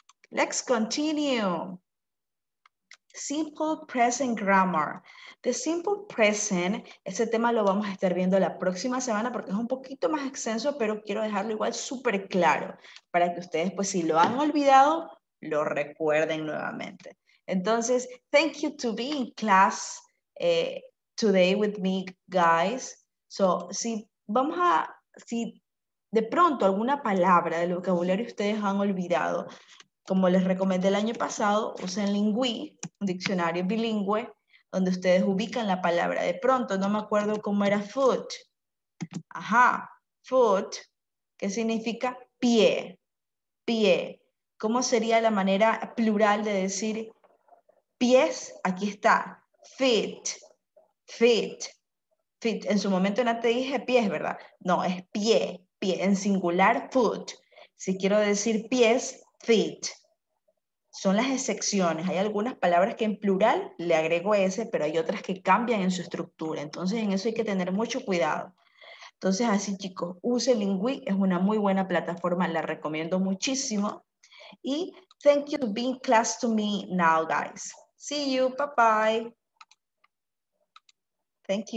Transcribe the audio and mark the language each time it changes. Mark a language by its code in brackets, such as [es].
[en] Let's continue. Simple present grammar. The simple present, [es] ese tema lo vamos a estar viendo la próxima semana porque es un poquito más extenso, pero quiero dejarlo igual súper claro para que ustedes, pues si lo han olvidado, lo recuerden nuevamente. [en] Entonces, thank you to be in class today with me, guys. [es] So, si vamos a... Si, de pronto, alguna palabra del vocabulario ustedes han olvidado, como les recomendé el año pasado, usen Lingui, un diccionario bilingüe, donde ustedes ubican la palabra. De pronto, no me acuerdo cómo era foot. Ajá, foot, ¿qué significa? Pie, pie. ¿Cómo sería la manera plural de decir pies? Aquí está, feet, feet, feet. En su momento no te dije pies, ¿verdad? No, es pie. Pie, en singular, foot. Si quiero decir pies, feet. Son las excepciones. Hay algunas palabras que en plural le agrego ese, pero hay otras que cambian en su estructura. Entonces, en eso hay que tener mucho cuidado. Entonces, así chicos, use Lingui. Es una muy buena plataforma. La recomiendo muchísimo. [en] Y thank you for being class to me now, guys. See you. Bye-bye. Thank you.